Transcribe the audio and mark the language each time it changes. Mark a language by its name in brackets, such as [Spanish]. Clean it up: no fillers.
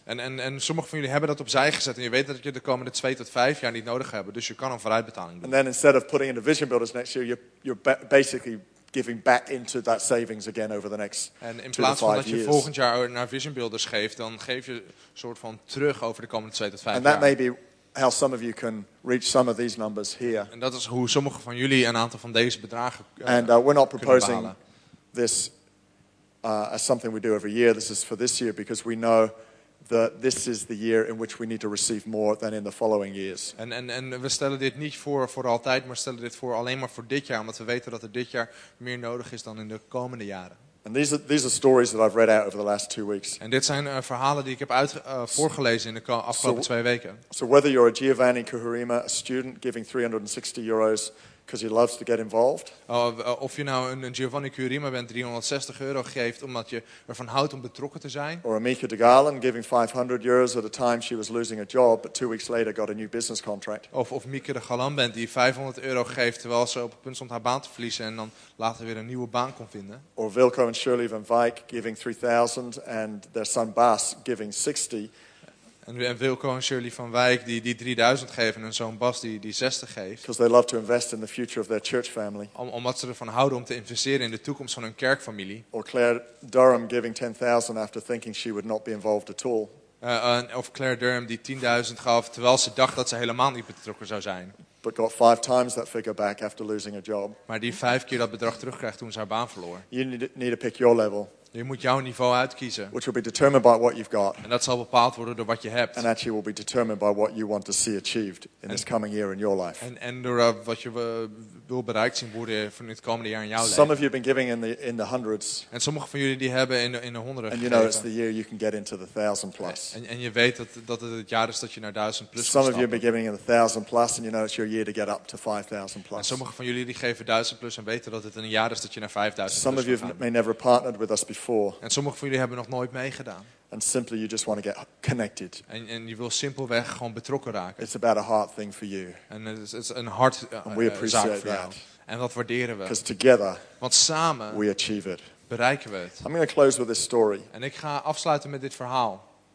[Dutch] En sommige van jullie hebben dat opzij gezet en je weet dat je de komende 2 tot 5 jaar niet nodig hebt, dus je kan een vooruitbetaling doen. [English] And then instead of putting in the Vision Builders next year, you're basically giving back into that savings again over the next 2 to 5 years. [Dutch] En in plaats van dat je volgend jaar naar Vision Builders geeft, dan geef je een soort van terug over de komende 2 tot 5 jaar. [English] And that may be how some of you can reach some of these numbers here. [Dutch] En dat is hoe sommige van jullie een aantal van deze bedragen kunnen behalen. [English] And we're not proposing this as something we do every year. This is for this year because we know that this is the year in which we need to receive more than in the following years. [Dutch] En we stellen dit niet voor altijd, maar stellen dit voor alleen maar voor dit jaar, omdat we weten dat er dit jaar meer nodig is dan in de komende jaren. [English] And these are stories that I've read out over the last 2 weeks. [Dutch] En dit zijn verhalen die ik heb voorgelezen in de afgelopen 2 weken. [English] So whether you're a Giovanni Kuhurima, a student giving 360 euros because he loves to get involved. [Dutch] Of je nou een Giovanni Kuhurima bent, 360 euro geeft omdat je ervan houdt om betrokken te zijn. [English] Or Amika de Garland giving 500 euros at a time she was losing a job, but 2 weeks later got a new business contract. [Dutch] Of Mieke de Galan bent die 500 euro geeft terwijl ze op het punt stond haar baan te verliezen en dan later weer een nieuwe baan kon vinden. [English] Or Wilco and Shirley van Wijk giving 3,000 and their son Bas giving 60. [Dutch] En Wilco en Shirley van Wijk die 3,000 geven en zo'n Bas die 60 geeft. [English] Because they love to invest in the future of their church family. [Dutch] Omdat ze ervan houden om te investeren in de toekomst van hun kerkfamilie. [English] Or Claire Durham giving 10,000 after thinking she would not be involved at all. [Dutch] Of Claire Durham die 10,000 gaf terwijl ze dacht dat ze helemaal niet betrokken zou zijn. [English] But got 5 times that figure back after losing a job. [Dutch] Maar die 5 keer dat bedrag terugkrijgt toen ze haar baan verloor. [English] You need to pick your level. [Dutch] Je moet jouw niveau uitkiezen. [English] Which will be determined by what you've got. [Dutch] En dat zal bepaald worden door wat je hebt. [English] And actually will be determined by what you want to see achieved in this coming year in your life. [Dutch] En door wat je wil bereikt zien worden van het komende jaar in jouw leven. [English] Some of you have been giving in the hundreds. [Dutch] En sommige van jullie die hebben in de honderden gegeven. [English] And you know it's the year you can get into the 1,000+. [Dutch] En je weet dat het het jaar is dat je naar 1,000+ kan stappen. [English] Some of you have been giving in the 1,000+ and you know it's your year to get up to 5,000+. [Dutch] En sommige van jullie die geven 1,000+ en weten dat het een jaar is dat je naar 5,000+. [English] Some of you may never partnered with us before. [Dutch] En sommige van jullie hebben nog nooit meegedaan. [English] And simply you just want to get connected. [Dutch] En je wil simpelweg gewoon betrokken raken. [English] It's about a heart thing for you. [Dutch] En het is een hart zaak voor jou. En dat waarderen we. [English] Because together, [Dutch] want samen [English] we achieve it. [Dutch] Bereiken we het. [English] I'm going to close with this story. [Dutch] En ik ga afsluiten met dit verhaal.